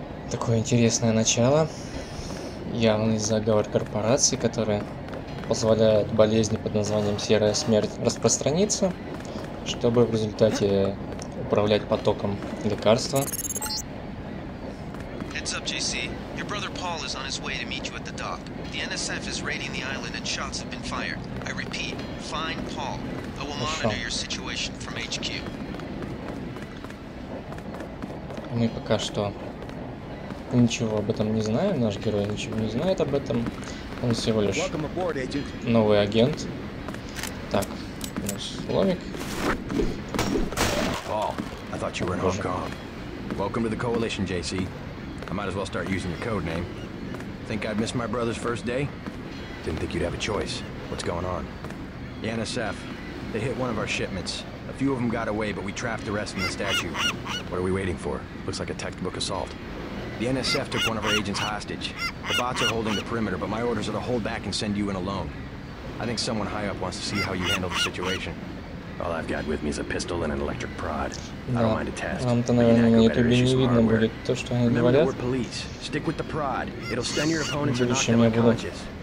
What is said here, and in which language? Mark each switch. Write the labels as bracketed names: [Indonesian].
[Russian] Такое интересное начало. Явный заговор корпораций, которые позволяют болезни под названием «Серая смерть» распространиться, чтобы в результате управлять потоком лекарства. [English] Heads up, JC. Your brother Paul is on his way to meet you at the dock. The NSF is raiding the island and shots have been fired. I repeat, find Paul. I will monitor your situation from HQ. [Russian] Мы пока что ничего об этом не знаем, наш герой ничего не знает об этом. Он всего лишь новый агент. Так, у нас ломик. [English] Paul, I thought you were in Hong Kong. Welcome to the Coalition, JC. I might as well start using your code name. Think I'd miss my brother's first day? Didn't think you'd have a choice. What's going on? The NSF. They hit one of our shipments. A few of them got away, but we trapped the rest in the statue. What are we waiting for? Looks like a textbook assault. The NSF took one of our agents hostage. The bots are holding the perimeter, but my orders are to hold back and send you in alone. I think someone high up wants to see how you handle the situation. All I've got with me is a pistol and an electric prod. I don't mind a test. [Russian] Вам-то, наверное, на ютубе не видно будет то, что они говорят. [English] Remember, we're police. Stick with the prod. It'll stun your opponents and knock them unconscious.